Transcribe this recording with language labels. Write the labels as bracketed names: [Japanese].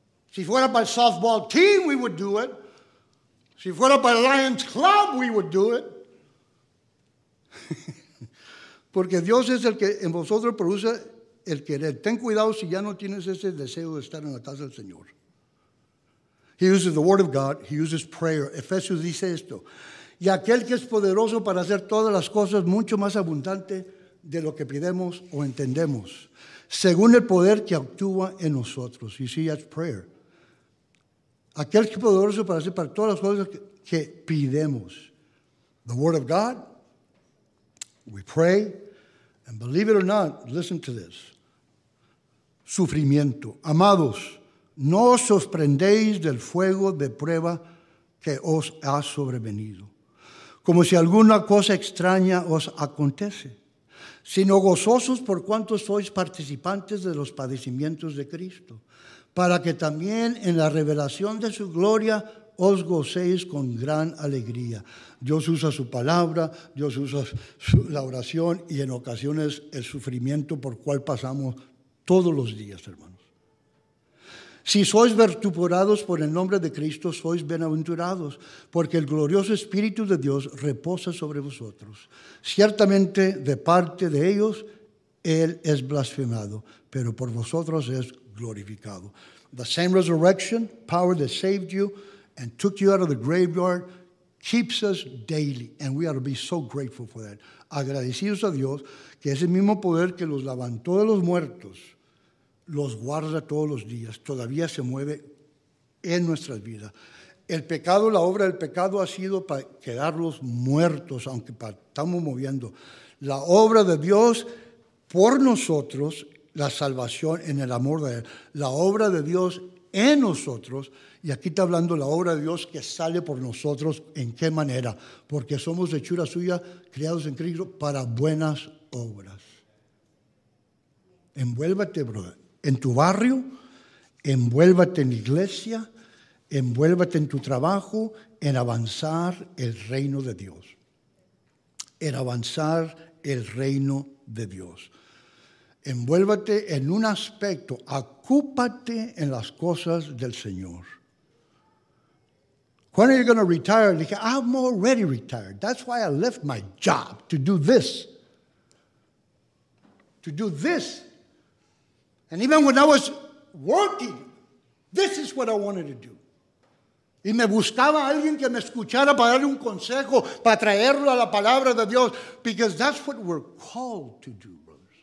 [Spanish] Si fuera para el softball team, [English] we would do it. [Spanish] Si fuera para el Lions Club, we would do it. Porque Dios es el que en vosotros produce el querer. Ten cuidado si ya no tienes ese deseo de estar en la casa del Señor. [English] He uses the word of God. He uses prayer. [Spanish] Efesios dice esto. Y aquel que es poderoso para hacer todas las cosas mucho más abundante de lo que pidemos o entendemos. Según el poder que actúa en nosotros. [English] You see, that's prayer. [Spanish] Aquel que es poderoso para hacer para todas las cosas que pidemos. [English] The word of God. We pray, and believe it or not, listen to this. [Spanish] Sufrimiento. Amados, no os sorprendéis del fuego de prueba que os ha sobrevenido, como si alguna cosa extraña os acontece, sino gozosos por cuanto sois participantes de los padecimientos de Cristo, para que también en la revelación de su gloria os gocéis con gran alegría. Dios usa su palabra, Dios usa la oración y en ocasiones el sufrimiento por cual pasamos todos los días, hermanos. Si sois vituperados por el nombre de Cristo, sois bienaventurados, porque el glorioso Espíritu de Dios reposa sobre vosotros. Ciertamente, de parte de ellos, Él es blasfemado, pero por vosotros es glorificado. [English] The same resurrection, power that saved you, and took you out of the graveyard, keeps us daily. And we ought to be so grateful for that. [Spanish] Agradecidos a Dios, que ese mismo poder que los levantó de los muertos, los guarda todos los días, todavía se mueve en nuestras vidas. El pecado, la obra del pecado ha sido para quedarlos muertos, aunque estamos moviendo. La obra de Dios por nosotros, la salvación en el amor de Él, la obra de Dios en nosotros. Y aquí está hablando la obra de Dios que sale por nosotros. ¿En qué manera? Porque somos hechura suya, criados en Cristo, para buenas obras. Envuélvate, brother, en tu barrio, envuélvate en la iglesia, envuélvate en tu trabajo, en avanzar el reino de Dios. En avanzar el reino de Dios. Envuélvate en un aspecto, ocúpate en las cosas del Señor. [English] When are you going to retire? Dije, I'm already retired. That's why I left my job, to do this. To do this. And even when I was working, this is what I wanted to do. [Spanish] Y me buscaba alguien que me escuchara para darle un consejo, para traerlo a la palabra de Dios. [English] Because that's what we're called to do, brothers.